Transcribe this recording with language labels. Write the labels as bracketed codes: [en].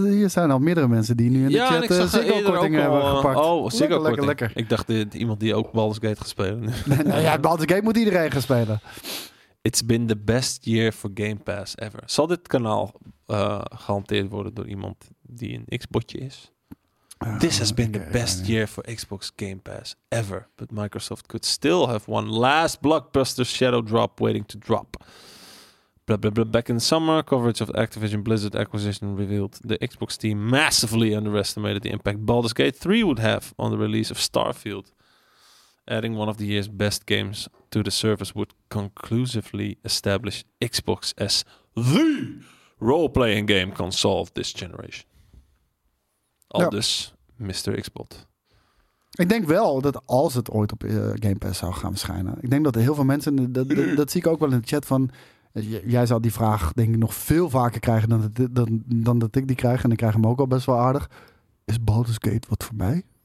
[nl] Hier zijn al meerdere mensen die nu in de chat Ziggo-kortingen hebben gepakt. Oh, Ziggo-korting. Lekker, lekker. Ik dacht iemand die ook Baldur's Gate gaat spelen. Ja, Baldur's Gate moet iedereen gaan spelen. [en] It's been the best year for Game Pass ever. [nl] Zal dit kanaal gehanteerd worden door iemand die een X-botje is? [en] This has been the best year for Xbox Game Pass ever. But Microsoft could still have one last blockbuster shadow drop waiting to drop. Blah, blah, blah. Back in the summer, coverage of Activision Blizzard acquisition revealed the Xbox team massively underestimated the impact Baldur's Gate 3 would have on the release of Starfield. Adding one of the year's best games to the service would conclusively establish Xbox as the role-playing game console of this generation. [nl] Aldus, ja. Mr. Xbox. Ik denk wel dat als het ooit op Game Pass zou gaan verschijnen. Ik denk dat heel veel mensen, dat zie ik ook wel in de chat van... Jij zou die vraag denk ik nog veel vaker krijgen dan dat ik die krijg. En ik krijg hem ook al best wel aardig. Is Baldur's Gate wat voor mij?